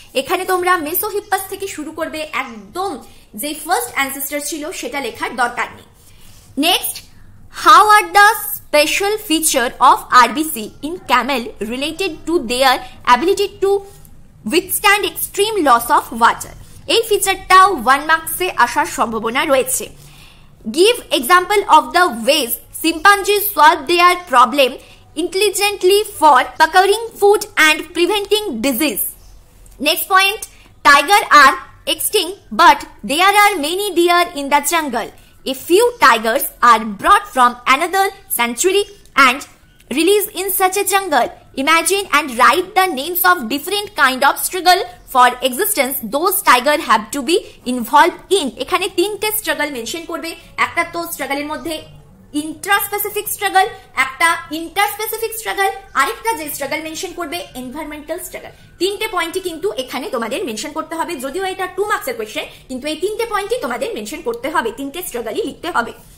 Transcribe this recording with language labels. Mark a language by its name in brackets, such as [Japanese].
[Bangla] এখানে তোমরা মেসোহিপাস থেকে শুরু করবে, একদম যে ফার্স্ট অ্যান্সেস্টার ছিল সেটা লেখার দরকার নেই। [English] next, how are the special feature of RBC in camel related to their ability to withstand extreme loss of water, [Bangla] এই ফিচারটাও ওয়ান মার্কসে আসার সম্ভাবনা রয়েছে। [English] Give example of the ways chimpanzees solve their problem intelligently for procuring food and preventing disease. Next point, tiger are extinct but there are many deer in the jungle. A few tigers are brought from another sanctuary and released in such a jungle. Imagine and write the names of different kind of struggle for existence those tiger have to be involved in. [Bangla] এখানে তিনটে struggle mention করবে, একটা তো স্ট্রাগলের মধ্যে ইন্ট্রাস্পেসিফিক struggle, একটা ইন্টারস্পেসিফিক struggle, আরেকটা যে struggle mention করবে এনভায়রনমেন্টাল স্ট্রাগল। তিনটে পয়েন্টই কিন্তু এখানে তোমাদের মেনশন করতে হবে, যদিও এটা টু মার্কসের কোয়েশ্চেন কিন্তু এই তিনটে পয়েন্টই তোমাদের মেনশন করতে হবে, তিনটে স্ট্রাগলই লিখতে হবে।